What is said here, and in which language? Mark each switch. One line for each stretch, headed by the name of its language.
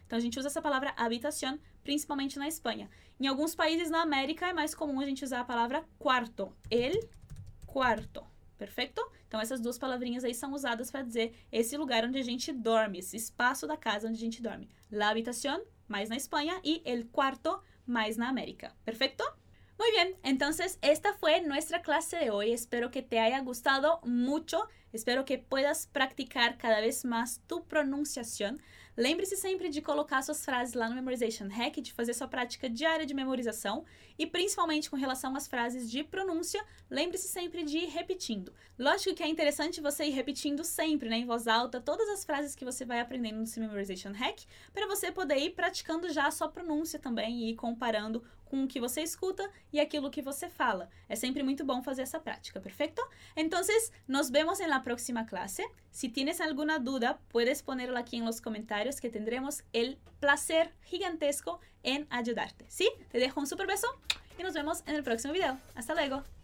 Portuguese: Então a gente usa essa palavra habitación principalmente na Espanha. Em alguns países na América é mais comum a gente usar a palavra cuarto. El cuarto. Perfeito? Então, essas duas palavrinhas aí são usadas para dizer esse lugar onde a gente dorme, esse espaço da casa onde a gente dorme. La habitación, mais na Espanha, e el cuarto, mais na América. Perfeito?
Spanish: Muy bien, entonces esta fue nuestra clase de hoy. Espero que te haya gustado mucho. Espero que puedas practicar cada vez más tu pronunciación.
Portuguese: Lembre-se sempre de colocar suas frases lá no Memorization Hack, de fazer sua prática diária de memorização. E principalmente com relação às frases de pronúncia, lembre-se sempre de ir repetindo. Lógico que é interessante você ir repetindo sempre, né, em voz alta, todas as frases que você vai aprendendo no seu Memorization Hack, para você poder ir praticando já a sua pronúncia também e ir comparando com o que você escuta e aquilo que você fala. É sempre muito bom fazer essa prática, perfeito? Então, nos vemos na próxima classe.
Spanish: Se tienes
Portuguese: alguma dúvida,
Spanish: puedes ponerla
Portuguese: aqui nos comentários,
Spanish: que tendremos el placer gigantesco en ayudarte. ¿Sí? Te dejo un super beso y nos vemos en el próximo video. Hasta luego.